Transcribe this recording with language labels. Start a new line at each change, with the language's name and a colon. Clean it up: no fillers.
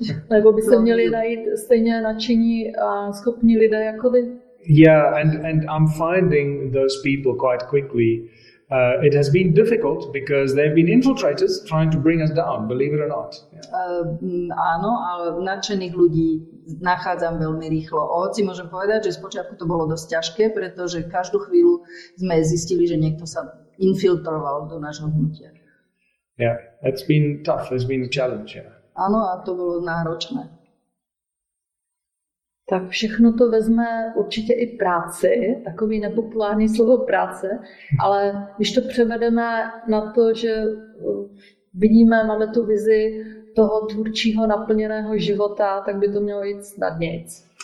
Czech: Nebo by se měli najít stejně nadšení a schopní lidé jako vy.
English: Yeah, and I'm finding those people quite quickly. It has been difficult because they've been infiltrators trying to bring us down, believe it or not.
Slovak: Áno, ale nadšených ľudí nachádzam veľmi rýchlo. Hoci môžem povedať, že spočiatku to bolo dosť ťažké, pretože každú chvíľu sme zistili, že niekto sa infiltroval do nášho hnutia.
English: Yeah, it's been tough, it's been a challenge. Yeah.
Slovak: Áno, a to bolo náročné.
Czech: Tak všechno to vezme určitě i práci, takový nepopulární slovo práce, ale když to převedeme na to, že vidíme, máme tu vizi toho tvůrčího naplněného života, tak by to mělo jít snadnějc.